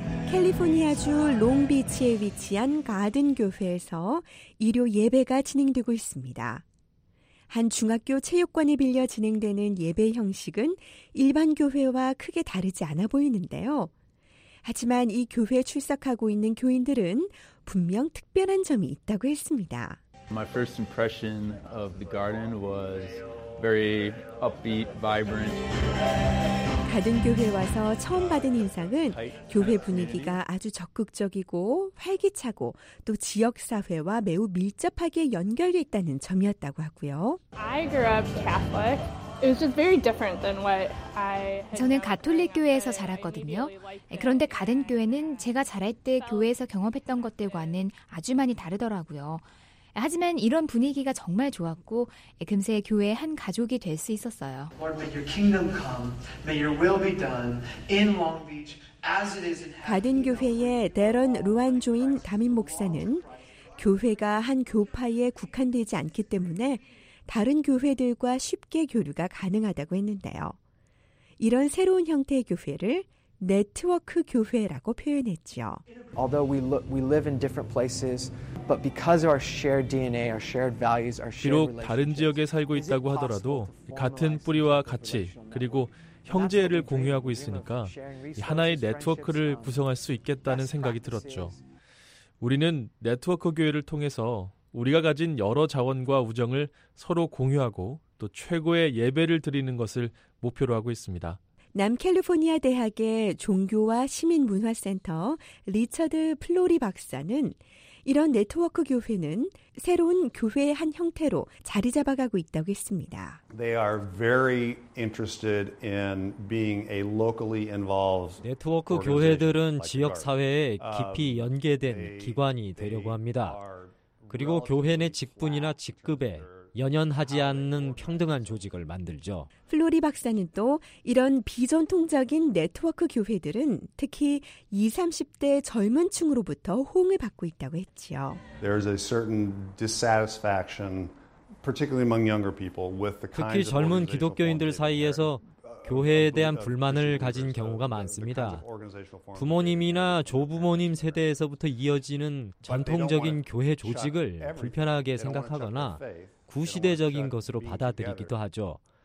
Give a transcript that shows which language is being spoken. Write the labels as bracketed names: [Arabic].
[Korean] 캘리포니아주 롱비치에 위치한 가든 교회에서 일요 예배가 진행되고 있습니다. 한 중학교 체육관에 빌려 진행되는 예배 형식은 일반 교회와 크게 다르지 않아 보이는데요. 하지만 이 교회에 출석하고 있는 교인들은 분명 특별한 점이 있다고 했습니다. [English] My first impression of the garden was very upbeat, vibrant. [Korean] 가든 교회에 와서 처음 받은 인상은 교회 분위기가 아주 적극적이고 활기차고 또 지역사회와 매우 밀접하게 연결돼 있다는 점이었다고 하고요. [English] I grew up Catholic. It was just very different than what I. [Korean] 저는 가톨릭 교회에서 자랐거든요. 그런데 가든 교회는 제가 자랄 때 교회에서 경험했던 것들과는 아주 많이 다르더라고요. 하지만 이런 분위기가 정말 좋았고 금세 교회의 한 가족이 될 수 있었어요. 가든교회의 데런 루안조인 담임 목사는 교회가 한 교파에 국한되지 않기 때문에 다른 교회들과 쉽게 교류가 가능하다고 했는데요. 이런 새로운 형태의 교회를 네트워크 교회라고 표현했죠. [English] Although we live in different places, but because of our shared DNA, our shared values, our shared [Korean] relationships, 다른 지역에 살고 있다고 하더라도 같은 뿌리와 가치 그리고 형제애를 공유하고 있으니까 하나의 네트워크를 구성할 수 있겠다는 생각이 들었죠. 우리는 네트워크 교회를 통해서 우리가 가진 여러 자원과 우정을 서로 공유하고 또 최고의 예배를 드리는 것을 목표로 하고 있습니다. 남캘리포니아 대학의 종교와 시민문화센터 리처드 플로리 박사는 이런 네트워크 교회는 새로운 교회의 한 형태로 자리 잡아가고 있다고 했습니다. [English] They are very interested in being a locally involved [Korean] 네트워크 교회들은 지역 사회에 깊이 연계된 기관이 되려고 합니다. 그리고 교회 내 직분이나 직급에 연연하지 않는 평등한 조직을 만들죠. 플로리 박사는 또 이런 비전통적인 네트워크 교회들은 특히 20, 30대 젊은 층으로부터 호응을 받고 있다고 했지요. [English] There is a certain dissatisfaction, particularly among younger people, with the [Korean] 특히 젊은 기독교인들 사이에서 교회에 대한 불만을 가진 경우가 많습니다. 부모님이나 조부모님 세대에서부터 이어지는 전통적인 교회 조직을 불편하게 생각하거나 구시대적인 것으로 받아들이기도 하죠.